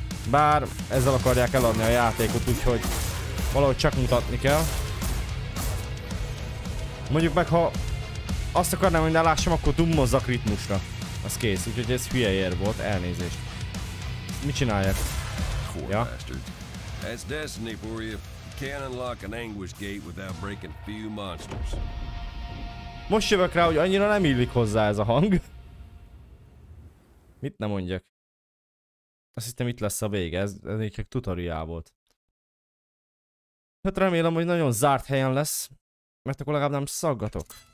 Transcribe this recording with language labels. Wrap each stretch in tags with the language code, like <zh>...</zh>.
<hu>Bár ezzel akarják eladni a játékot, úgyhogy... Valahogy csak mutatni kell. Mondjuk meg, ha... Azt akarnám, hogy ne lássam, akkor dummozzak ritmusra. Az kész, úgyhogy ez hülye ér volt, elnézést. Mit csinálják? Ja.</hu> <en>That's destiny for you. You can't unlock an anguish gate without breaking a few monsters.</en> <hu>Most jövök rá, hogy annyira nem illik hozzá ez a hang. Mit ne mondjak? Azt hiszem itt lesz a vége, ez egy tutoriál volt. Hát remélem, hogy nagyon zárt helyen lesz. Mert akkor legalább nem szaggatok.</hu>